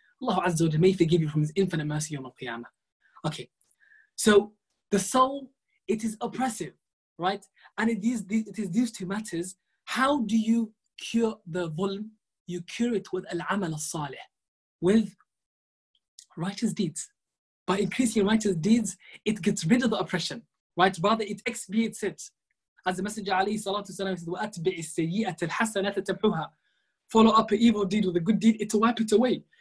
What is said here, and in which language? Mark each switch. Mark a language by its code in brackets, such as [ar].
[en] Allah Azza wa Jalla may forgive you from His infinite mercy on the qiyamah. Okay, so the soul, it is oppressive, right? And it is these two matters. How do you cure the zulm? You cure it with al-amal al-salih, with righteous deeds. By increasing righteous deeds, it gets rid of the oppression, right? Rather, it expiates it. As the Messenger [ar] عليه الصلاة والسلام [en] said, [ar] وَأَتْبِعِ السَّيِّئَةَ الْحَسَنَةَ تَمْحُهَا. [en] Follow up an evil deed with a good deed, it'll wipe it away.